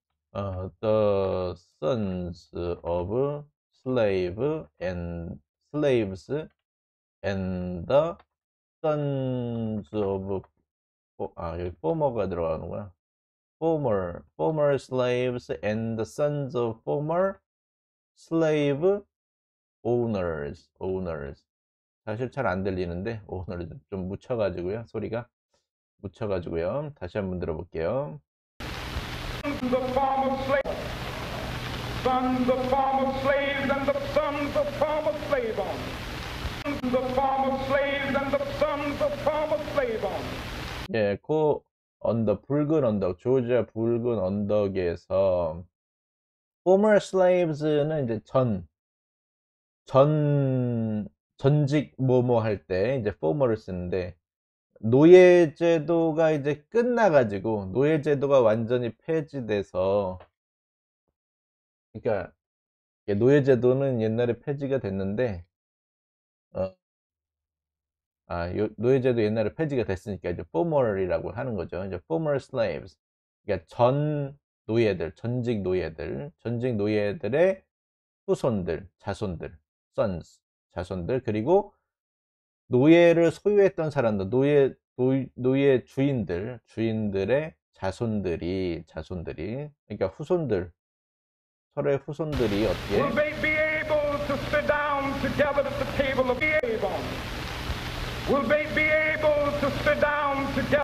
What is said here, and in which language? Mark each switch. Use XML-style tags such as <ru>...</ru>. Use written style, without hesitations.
<en>The sons of slave and slaves and the sons of.</en> <ko>여기 former가 들어가는 거야.</ko> <en>Former slaves and the sons of former slave owners.</en> <ko>사실 잘 안 들리는데 오늘 좀 묻혀가지고요 소리가 묻혀가지고요 다시 한번 들어볼게요.</ko> <en>Sons of former slaves, sons of former slaves and the sons of former slave owners. Sons of former slaves and the sons of former slave owners.</en> <ko>예, 그 언덕 붉은 언덕 조지아 붉은 언덕에서</ko> <en>former slaves</en> <ko>는 이제 전직 뭐뭐 할 때 이제 former를 쓰는데 노예제도가 이제 끝나가지고 노예제도가 완전히 폐지돼서 그러니까 노예제도는 옛날에 폐지가 됐는데 노예제도 옛날에 폐지가 됐으니까 이제 former이라고 하는 거죠. 이제</ko> <en>former slaves</en> <ko>그러니까 전 노예들 전직 노예들의 후손들 자손들 sons 자손들 그리고 노예를 소유했던 사람들 노예 주인들의 자손들이 그러니까 후손들 서로의 후손들이 어떻게</ko> <en>Will they be able to sit down together at the table of Abel? Will they be able to sit down together?</en>